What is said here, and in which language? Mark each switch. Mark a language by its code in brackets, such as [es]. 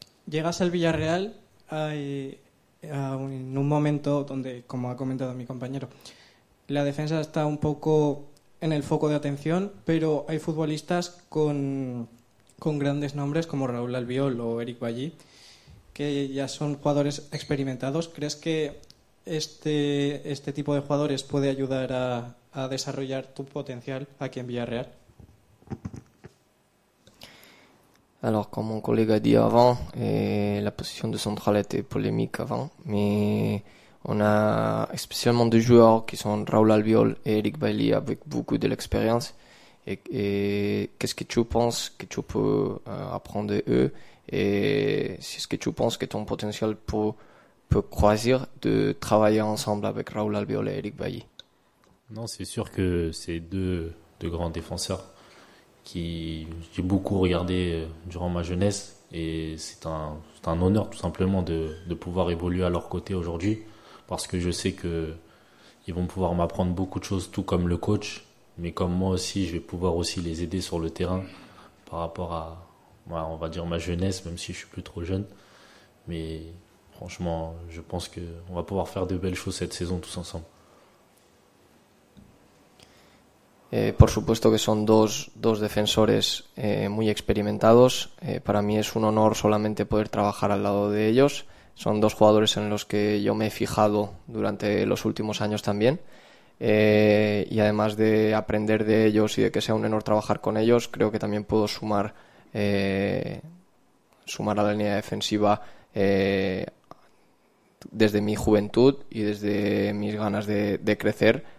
[es] Llegas al Villarreal en un momento donde, como ha comentado mi compañero, la defensa está un poco en el foco de atención, pero hay futbolistas con grandes nombres como Raúl Albiol o Eric Bailly, que ya son jugadores experimentados. ¿Crees que este tipo de jugadores puede ayudar a desarrollar tu potencial aquí en Villarreal? [fr] Alors, comme mon collègue a dit avant, la position de central était polémique avant, mais on a spécialement deux joueurs qui sont Raúl Albiol et Eric Bailly avec beaucoup de l'expérience. Et qu'est-ce que tu penses que tu peux apprendre d'eux et est-ce que tu penses que ton potentiel peut croiser de travailler ensemble avec Raúl Albiol et Eric Bailly? Non, c'est sûr que c'est deux grands défenseurs. Qui j'ai beaucoup regardé durant ma jeunesse et c'est un honneur tout simplement de pouvoir évoluer à leur côté aujourd'hui parce que je sais que ils vont pouvoir m'apprendre beaucoup de choses tout comme le coach mais comme moi aussi je vais pouvoir aussi les aider sur le terrain par rapport à on va dire ma jeunesse même si je suis plus trop jeune mais franchement je pense que on va pouvoir faire de belles choses cette saison tous ensemble. [es] Por supuesto que son dos defensores muy experimentados. Para mí es un honor solamente poder trabajar al lado de ellos. Son dos jugadores en los que yo me he fijado durante los últimos años también. Y además de aprender de ellos y de que sea un honor trabajar con ellos, creo que también puedo sumar a la línea defensiva desde mi juventud y desde mis ganas de crecer.